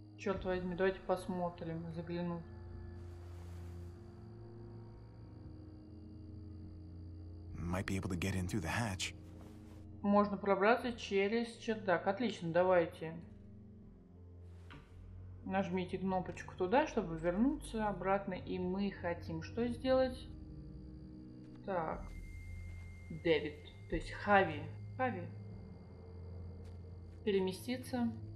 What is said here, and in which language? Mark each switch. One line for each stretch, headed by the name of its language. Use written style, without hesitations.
Russian: Черт возьми, давайте посмотрим, заглянуть.
English: Might be able to get in through the hatch.
Russian: Можно пробраться через чердак. Отлично, давайте. Нажмите кнопочку туда, чтобы вернуться обратно. И мы хотим что сделать? Так. Дэвид. То есть Хави. Хави. Переместиться.